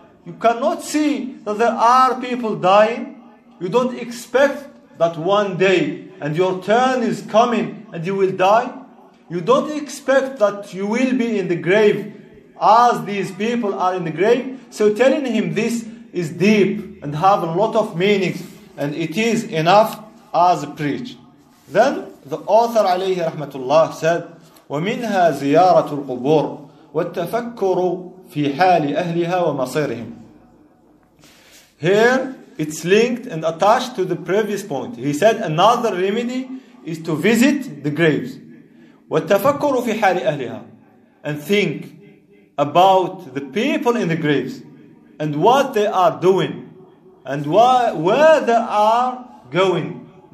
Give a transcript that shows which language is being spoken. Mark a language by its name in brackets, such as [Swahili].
[English] You cannot see that there are people dying. You don't expect that one day, and your turn is coming, and you will die. You don't expect that you will be in the grave as these people are in the grave. So telling him this is deep and have a lot of meanings, and it is enough as a preach. Then the author [Arabic] عليه رحمة الله [English] said, [Arabic] ومنها زيارة القبور والتفكر في حال أهلها ومصيرهم. [English] Here it's linked and attached to the previous point. He said another remedy is to visit the graves. [Arabic] وَالتَّفَكُّرُ فِي حَالِ أَهْلِهَا, [English] and think about the people in the graves and what they are doing and where they are going.